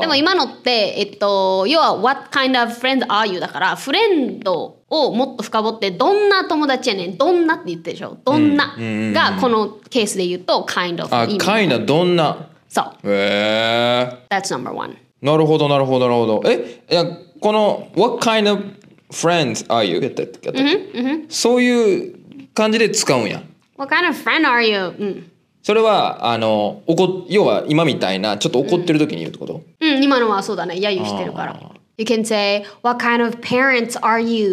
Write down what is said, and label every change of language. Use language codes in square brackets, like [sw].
[ja] でも今のって要は [en] What kind of friend are you? [ja] だからフレンドをもっと深掘ってどんな友達やねん、どんなって言ってるでしょ、どんな、うん、がこのケースで言うと kind of、あ、kind of どんな、そう、 [en] That's number one。 [ja] なるほどなるほどなるほど。え、いや、この [en] What kind of friends are you? Mm-hmm. [ja] そういう感じで使うんや。 [en] What kind of friend are you?、 [ja] それはあの要は今みたいなちょっと怒ってる時に言うってこと、今のはそうだね、揶揄してるから。 [en] You can say What kind of parents are you?